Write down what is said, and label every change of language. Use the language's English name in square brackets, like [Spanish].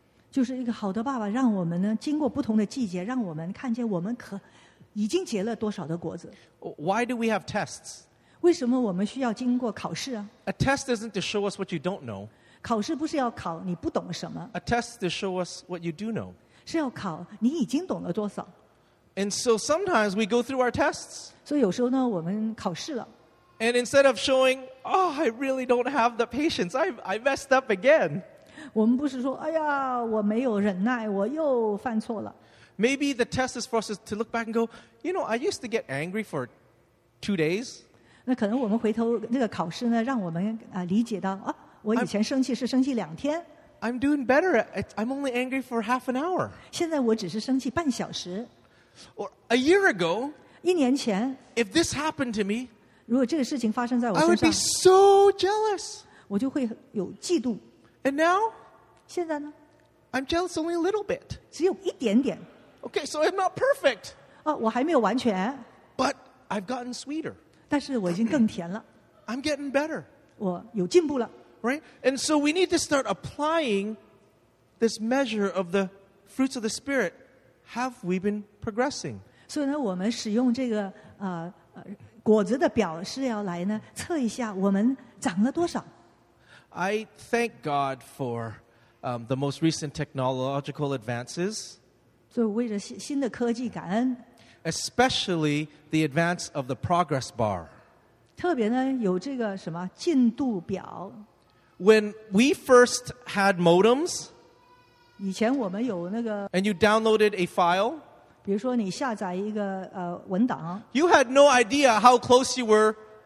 [Chinese] 就是一个好的爸爸让我们呢经过不同的季节让我们看见我们可已经结了多少的果子。 [English] Why do we have tests? [Chinese] 为什么我们需要经过考试啊 [English] ？A test isn't to show us what you don't know. [Chinese] 考试不是要考你不懂什么。 [English] A test to show us what you do know. [Chinese] 是要考你已经懂了多少。 [English] And so sometimes we go through our tests. [Chinese] 所以有时候呢，我们考试了。 [English] And instead of showing, oh, I really don't have the patience. I messed up again. [Chinese] 我们不是说，哎呀，我没有忍耐，我又犯错了。 [English] Maybe the test is for us to look back and go, you know, I used to get angry for 2 days. [Chinese] 那可能我们回头那个考试呢，让我们理解到啊，我以前生气是生气两天。 [English] I'm doing better. I'm only angry for half an hour. [Chinese] 现在我只是生气半小时。 [English] Or a year ago. [Chinese] 一年前。 [English] If this happened to me. [Chinese] 如果这个事情发生在我身上。 [English] I would be so jealous. [Chinese] 我就会有嫉妒。 [English] And now. [Chinese] 现在呢 [English] ？I'm jealous only a little bit. [Chinese] 只有一点点。 [English] Okay, so I'm not perfect. [Chinese] 啊，我还没有完全。 [English] But I've gotten sweeter. [Chinese] 但是我已经更甜了。 [English] I'm getting better. [Chinese] 我有进步了。 [English] Right? And so we need to start applying this measure of the fruits of the Spirit. Have we been progressing? [Chinese] 所以呢，我们使用这个果子的表示要来呢测一下我们长了多少。 [English] I thank God for the most recent technological advances. [Chinese] 所以为了新的科技感恩。 [English] Especially the advance of the progress bar. [Chinese] 特别呢，有这个什么进度表。 [English] When we first had modems, [Chinese] 以前我们有那个。 [English] And you downloaded a file. [Chinese] 比如说你下载一个文档。 [English] You had no idea how close you were